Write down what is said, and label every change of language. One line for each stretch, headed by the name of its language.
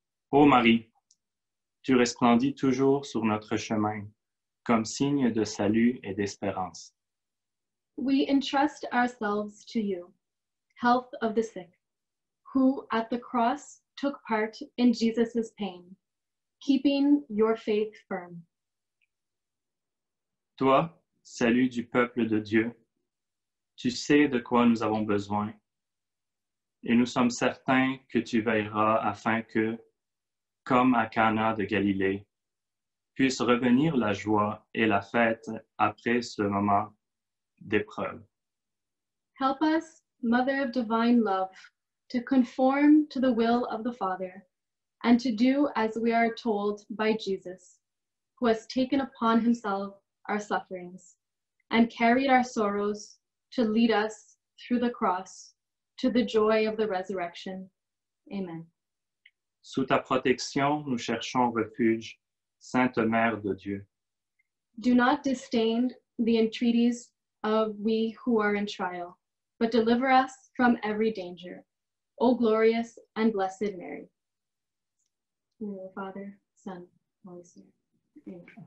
French: Ô Marie, tu resplendis toujours sur notre chemin, comme signe de salut et d'espérance.
English: We entrust ourselves to you, health of the sick, who at the cross took part in Jesus' pain, keeping your faith firm.
French: Toi, salut du peuple de Dieu, tu sais de quoi nous avons besoin. Et nous sommes certains que tu veilleras afin que, comme à Cana de Galilée, puisse revenir la joie et la fête après ce moment d'épreuve.
English: Help us, Mother of Divine Love, to conform to the will of the Father and to do as we are told by Jesus, who has taken upon himself our sufferings and carried our sorrows to lead us through the cross to the joy of the resurrection. Amen.
French: Sous ta protection, nous cherchons refuge, Sainte Mère de Dieu.
English: Do not disdain the entreaties of we who are in trial, but deliver us from every danger. O glorious and blessed Mary. In the name of the Father, Son, Holy Spirit. Amen.